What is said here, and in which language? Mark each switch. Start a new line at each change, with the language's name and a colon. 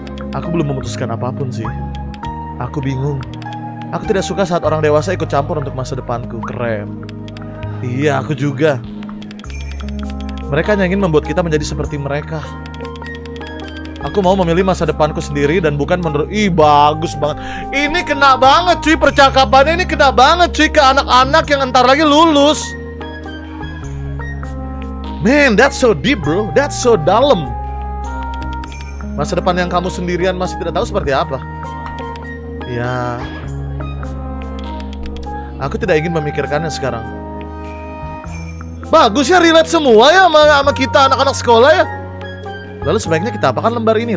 Indonesian: Aku belum memutuskan apapun sih. Aku bingung. Aku tidak suka saat orang dewasa ikut campur untuk masa depanku. Keren. Iya, aku juga. Mereka ingin membuat kita menjadi seperti mereka. Aku mau memilih masa depanku sendiri dan bukan menurut... Ih, bagus banget. Ini kena banget cuy, percakapannya ini kena banget cuy ke anak-anak yang entar lagi lulus.
English: Man, that's so deep bro, that's so dalam.
Indonesian: Masa depan yang kamu sendirian masih tidak tahu seperti apa. Ya, aku tidak ingin memikirkannya sekarang. Bagus ya, relate semua ya sama kita anak-anak sekolah ya. Lalu sebaiknya kita apakan lembar ini?